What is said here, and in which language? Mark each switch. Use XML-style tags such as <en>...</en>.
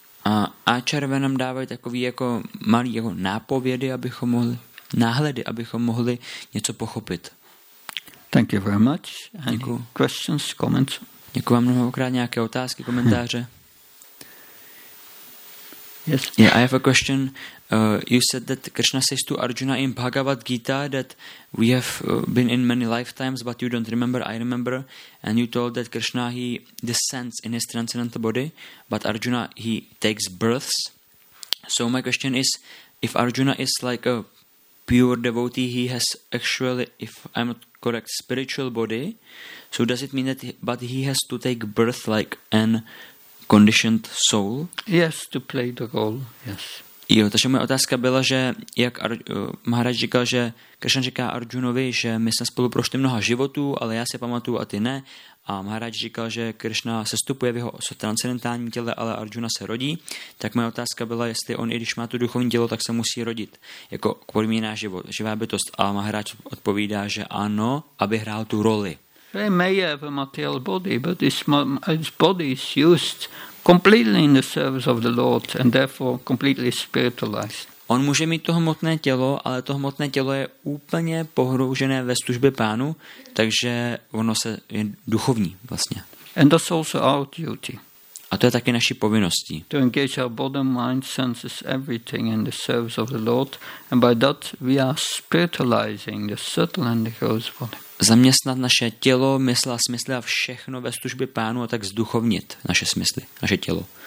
<cs>A ačarve nám dávají takový jako malý jako nápovědy, abychom mohli něco pochopit.</cs> <en>Thank you very much. Any questions, comments?</en> <cs>Děkuji vám mnohokrát, nějaké otázky, komentáře.</cs> <en>Yes. Yeah, I have a question. You said that Krishna says to Arjuna in Bhagavad Gita that we have been in many lifetimes, but you don't remember. I remember, and you told that Krishna he descends in his transcendental body, but Arjuna he takes births. So my question is, if Arjuna is like a pure devotee, he has actually, if I'm not correct, spiritual body. So does it mean that, but he has to take birth like an conditioned soul? Yes, to play the role. Yes.</en> <cs>Jo, takže moje otázka byla, že jak Maharaj říkal, že Krishna říká Arjunovi, že my jsme spolu prošli mnoha životů, ale já se pamatuju a ty ne. A Maharaj říkal, že Krishna sestupuje v jeho transcendentální těle, ale Arjuna se rodí. Tak moje otázka byla, jestli on, i když má tu duchovní tělo, tak se musí rodit jako podmíněná život, živá bytost. A Maharaj odpovídá, že ano, aby hrál tu roli.</cs> <en>He may have a material body, but his body is used completely in the service of the Lord and therefore completely spiritualized.</en> <cs>On může mít to hmotné tělo, ale to hmotné tělo je úplně pohroužené ve službě Pánu, takže ono se je duchovní vlastně.</cs> <en>And that's also our duty.</en> <cs>A to je taky naší povinností.</cs> <en>To engage our body, mind, senses, everything in the service of the Lord, and by that we are spiritualizing the subtle and the gross body.</en> <cs>Zaměstnat naše tělo, mysl a smysly a všechno ve službě Pánu a tak zduchovnit naše smysly, naše tělo.</cs>